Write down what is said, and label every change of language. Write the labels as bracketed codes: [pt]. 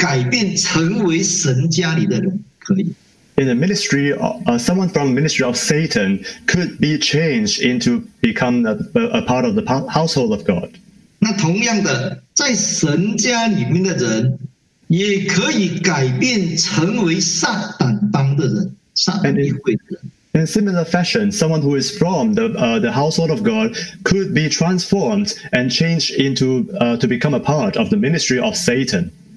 [zh] 撒旦帮的人，撒旦议会的人，可以改变成为神家里的人，可以。 [en] In the ministry, someone from the ministry of Satan could be changed into become a part of the household of God. [zh] 那同样的，在神家里面的人，也可以改变成为撒旦帮的人，撒旦议会的人。 [en] In similar fashion, someone who is from the household of God could be transformed and changed into to become a part of the ministry of Satan.